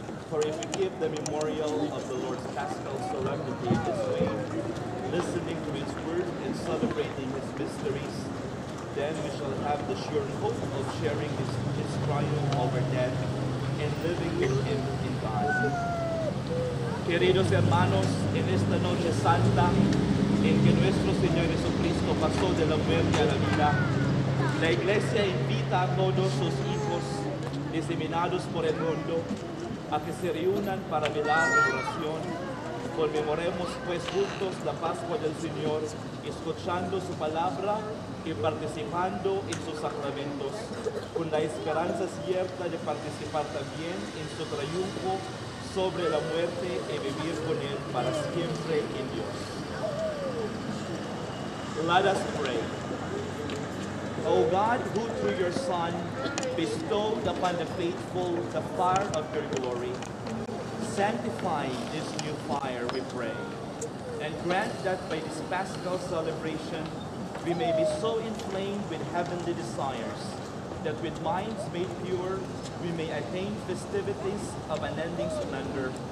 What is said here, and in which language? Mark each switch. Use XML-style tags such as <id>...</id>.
<en>For if we keep the memorial of the Lord's Paschal solemnity in this way, listening to His word and celebrating His mysteries, then we shall have the sure hope of sharing His triumph over death and living with Him in God.</en> <es>Queridos hermanos, en esta noche santa, en que nuestro Señor Jesucristo pasó de la muerte a la vida, la Iglesia invita a todos sus hijos diseminados por el mundo a que se reúnan para velar en oración. Conmemoremos pues juntos la Pascua del Señor, escuchando su palabra y participando en sus sacramentos, con la esperanza cierta de participar también en su triunfo sobre la muerte y vivir con él para siempre en Dios.</es> <en>Let us pray. O God, who through your Son bestowed upon the faithful the fire of your glory, sanctify this new fire, we pray, and grant that by this Paschal celebration we may be so inflamed with heavenly desires that with minds made pure we may attain festivities of unending splendor.</en>